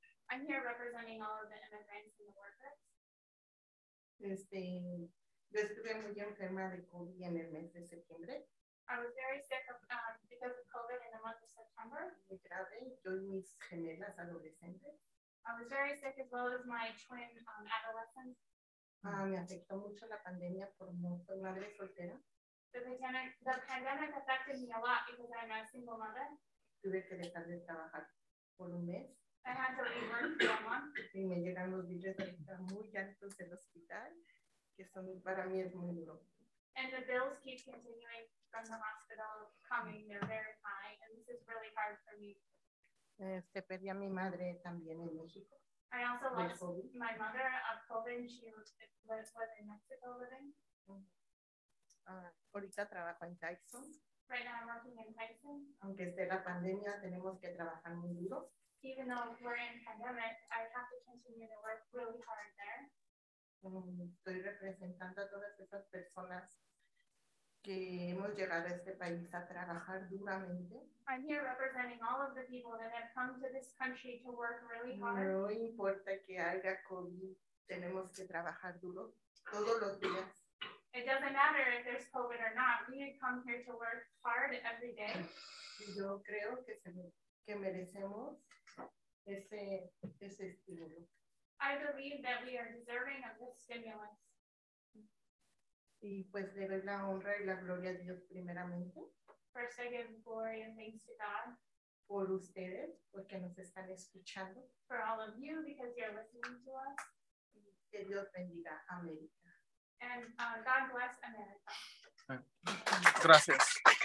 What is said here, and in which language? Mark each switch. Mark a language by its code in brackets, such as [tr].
[en] I'm here representing all of the immigrants and the workers. [es] Yo estuve muy enferma de COVID en el mes de septiembre. [en] I was very sick of, because of COVID in the month of September. [es] Muy grave, yo y mis gemelas adolescentes. [en] I was very sick as well as my twin adolescents. [es] Me afectó mucho la pandemia por no ser madre soltera. [en] The pandemic affected me a lot because I'm a single mother. [es] Tuve que dejar de trabajar por un mes. [en] I had to leave work for a month. [es] Y me llegan los billetes de renta muy altos del hospital, que son para mí es muy duro. [en] And the bills keep continuing from the hospital coming. They're very high, and this is really hard for me. [es] Perdí a mi madre también en México. [en] I also lost my mother of COVID. She was in Mexico living. [es] Ahorita trabajo en Tyson. [en] Right now I'm working in Tyson. [es] Aunque esté la pandemia, tenemos que trabajar muy duro. [en] Even though we're in pandemic, I have to continue to work really hard there. [es] Estoy representando a todas esas personas que hemos llegado a este país a trabajar duramente. [en] I'm here representing all of the people that have come to this country to work really hard. [es] No importa que haya COVID, tenemos que trabajar duro todos los días. [en] It doesn't matter if there's COVID or not. We come here to work hard every day. [es] Yo creo que que merecemos ese estímulo. [en] I believe that we are deserving of this stimulus. [es] Y pues debe la honra y la gloria a Dios primeramente. [en] First I give glory and thanks to God. [es] Por ustedes, porque nos están escuchando. [en] For all of you, because you're listening to us. [es] Y que Dios bendiga América. [en] And God bless America. [es] Gracias.